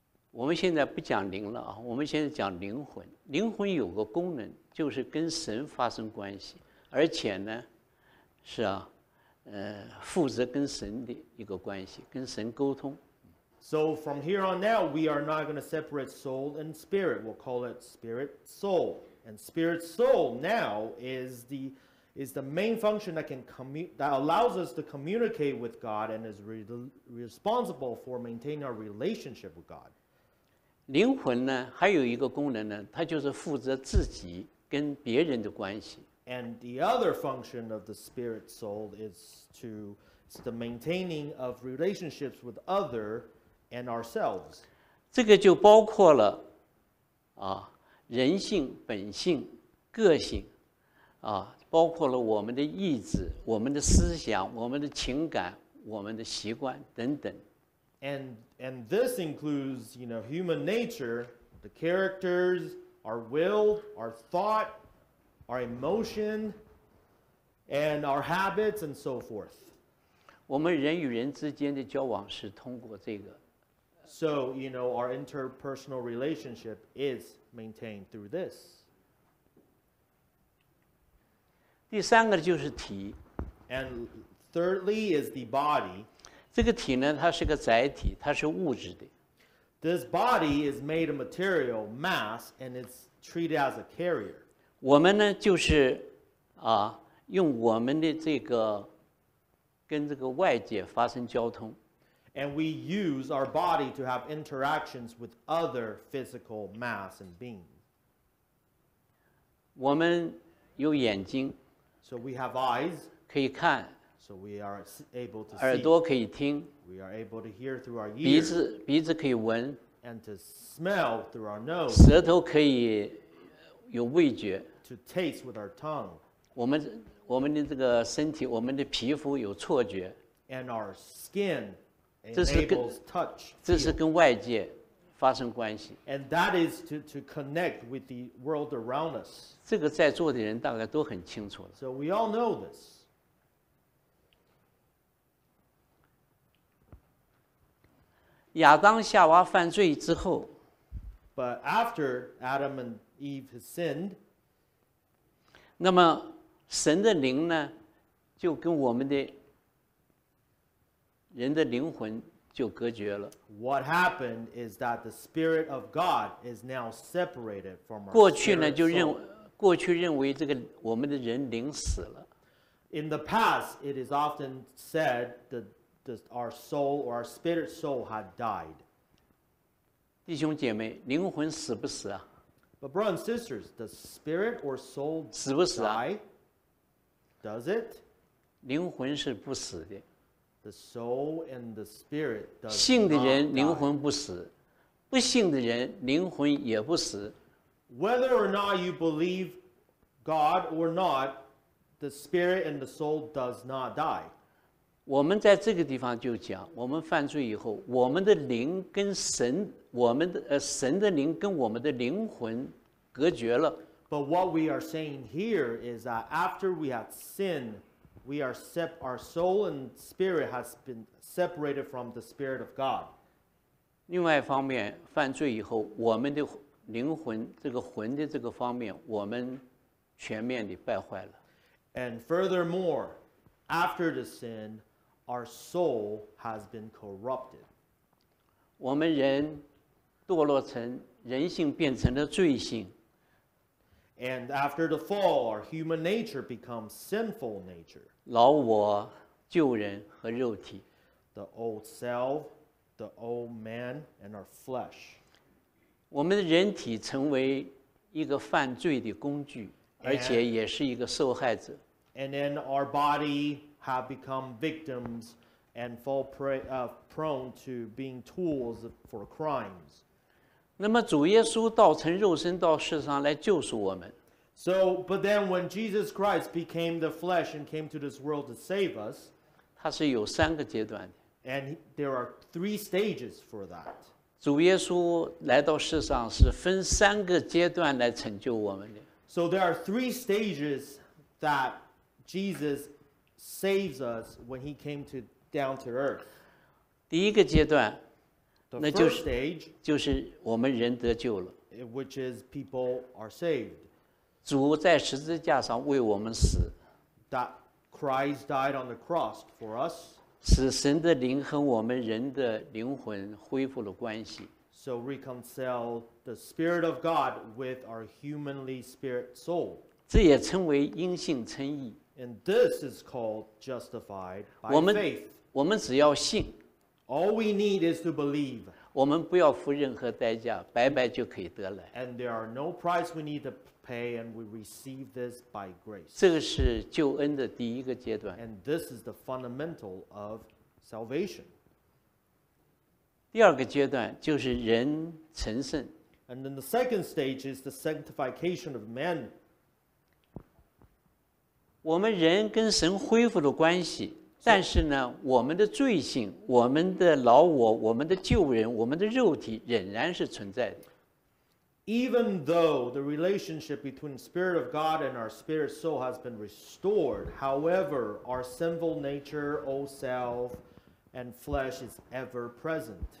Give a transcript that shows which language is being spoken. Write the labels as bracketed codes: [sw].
[zh] 我们现在不讲灵了，我们现在讲灵魂。灵魂有个功能，就是跟神发生关系，而且呢，是啊，负责跟神的一个关系，跟神沟通。 [en] So from here on out, we are not going to separate soul and spirit. We'll call it spirit soul. And spirit soul now is the main function that allows us to communicate with God and is responsible for maintaining our relationship with God. [zh] 灵魂呢，还有一个功能呢，它就是负责自己跟别人的关系。 [en] And the other function of the spirit soul is the maintaining of relationships with other and ourselves. [zh] 这个就包括了，人性、本性、个性，包括了我们的意志、我们的思想、我们的情感、我们的习惯等等。 [en] And this includes, you know, human nature, the characters, our will, our thought, our emotion, and our habits, and so forth. [zh] 我们人与人之间的交往是通过这个。 [en] So, you know, our interpersonal relationship is maintained through this. [zh] 第三个就是体。 [en] And thirdly is the body. [zh] 这个体呢，它是个载体，它是物质的。 [en] This body is made of material mass, and it's treated as a carrier. [zh] 我们呢，就是用我们的这个跟这个外界发生交通。 [en] And we use our body to have interactions with other physical mass and beings. [zh] 我们有眼睛 [en] ，so we have eyes, [zh] 可以看。 [en] So we are able to see. [zh] 耳朵可以听。 [en] We are able to hear through our ears. [zh] 鼻子可以闻。 [en] And to smell through our nose. [zh] 舌头可以有味觉。 [en] To taste with our tongue. [zh] 我们的这个身体，我们的皮肤有错觉。 [en] And our skin enables touch. [zh] 这是跟外界发生关系。 [en] And that is to connect with the world around us. [zh] 这个在座的人大概都很清楚。 [en] So we all know this. [zh] 亚当夏娃犯罪之后 [en] ，But after Adam and Eve had sinned， [zh] 那么神的灵呢，就跟我们的人的灵魂就隔绝了。 [en] What happened is that the spirit of God is now separated from our [zh] 过去呢，就认为过去认为这个我们的人灵死了。 [en] In the past, it is often said that. Our soul or our spirit soul had died. [zh] 弟兄姐妹，灵魂死不死啊 [en] ？But brothers and sisters, does spirit or soul [zh] 死不死啊 [en] die? Does it? [zh] 灵魂是不死的。 [en] The soul and the spirit does. [zh] 信的人灵魂不死，不信的人灵魂也不死。 [en] Whether or not you believe God or not, the spirit and the soul does not die. [zh] 我们在这个地方就讲，我们犯罪以后，我们的灵跟神，我们的神的灵跟我们的灵魂隔绝了。 [en] But what we are saying here is that after we have sinned, we are our soul and spirit has been separated from the spirit of God. [zh] 另外一方面，犯罪以后，我们的灵魂这个魂的这个方面，我们全面的败坏了。 [en] And furthermore, after the sin. Our soul has been corrupted. [zh] 我们人堕落成人性变成了罪性。 [en] And after the fall, our human nature becomes sinful nature. [zh] 老我、旧人和肉体。 [en] The old self, the old man, and our flesh. [zh] 我们人体成为一个犯罪的工具，而且也是一个受害者。 [en] And then our body. Have become victims and fall prey, prone to being tools for crimes. [zh] 那么主耶稣道成肉身到世上来救赎我们。 [en] So, but then when Jesus Christ became the flesh and came to this world to save us, [zh] 他是有三个阶段的。 [en] And there are three stages for that. [zh] 主耶稣来到世上是分三个阶段来成就我们的。 [en] So there are three stages that Jesus. Saves us when he came to down to earth. [zh] 第一个阶段，那就是 [en] stage, [zh] 就是我们人得救了 [en] ，which is people are saved. [zh] 主在十字架上为我们死 [en] ，that Christ died on the cross for us. [zh] 使神的灵和我们人的灵魂恢复了关系。 [en] So reconcile the Spirit of God with our humanly spirit soul. [zh] 这也称为因信称义。 [en] And this is called justified by faith. [zh] 我们只要信。 [en] All we need is to believe. [zh] 我们不要付任何代价，白白就可以得来。 [en] And there are no price we need to pay, and we receive this by grace. [zh] 这个是救恩的第一个阶段。 [en] And this is the fundamental of salvation. [zh] 第二个阶段就是人成圣。 [en] And then the second stage is the sanctification of men. [zh] 我们人跟神恢复了关系。但是呢，我们的罪性、我们的老我、我们的旧人、我们的肉体仍然是存在的。 [en] Even though the relationship between the Spirit of God and our spirit soul has been restored, however, our sinful nature, old self, and flesh is ever present.